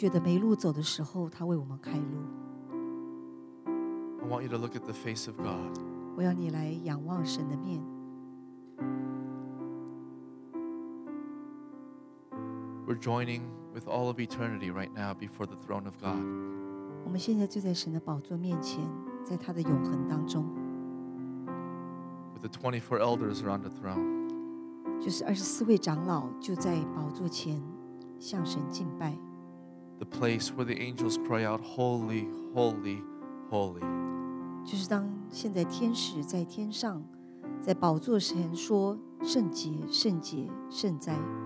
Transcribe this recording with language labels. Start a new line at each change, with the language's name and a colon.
English: you to look at the face of God. And we're joining with all of eternity right now before the throne of God.
Chinese: 我们现在就在神的宝座面前, 在他的永恒当中,
English: with the 24 elders around the throne.
Chinese: 就是24位长老就在宝座前, 向神敬拜,
English: the place where the angels cry out, Holy, Holy, Holy.
Chinese: 就是当现在天使在天上, 在宝座前说, 圣洁, 圣洁, 圣哉,